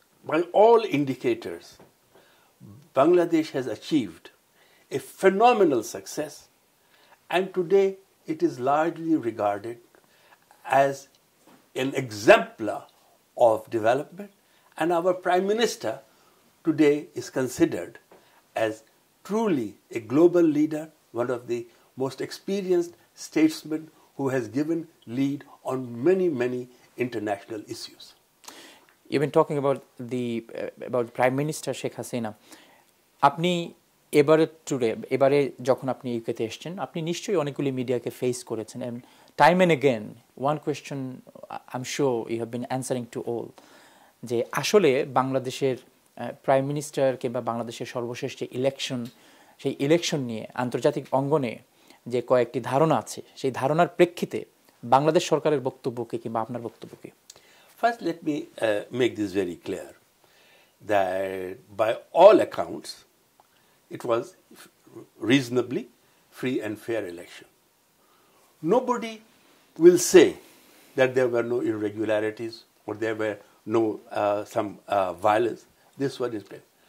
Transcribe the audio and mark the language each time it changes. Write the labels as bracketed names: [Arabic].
[English] By all indicators, Bangladesh has achieved a phenomenal success, and today it is largely regarded as an exemplar of development, and our Prime Minister today is considered as truly a global leader, one of the most experienced statesman who has given lead on many, many international issues. You've been talking about Prime Minister Sheikh Hasina. [Bangla] আপনি এবারে today এবারে যখন আপনি ইউকেতে এসছেন, আপনি নিশ্চয়ই অনেকগুলি মিডিয়াকে ফেস করেছেন, [English] and time and again one question I am sure you have been answering to all, [Bangla] যে আসলে বাংলাদেশের প্রাইম মিনিস্টার কিংবা বাংলাদেশের সর্বশেষ যে ইলেকশন, সেই ইলেকশন নিয়ে আন্তর্জাতিক অঙ্গনে যে কয়েকটি ধারণা আছে, সেই ধারণার প্রেক্ষিতে বাংলাদেশ সরকারের বক্তব্যকে কিংবা আপনার বক্তব্যকে? [English] First let me make this very clear that by all accounts it was reasonably free and fair election. Nobody will say that there were no irregularities or there were no violence. This one is clear.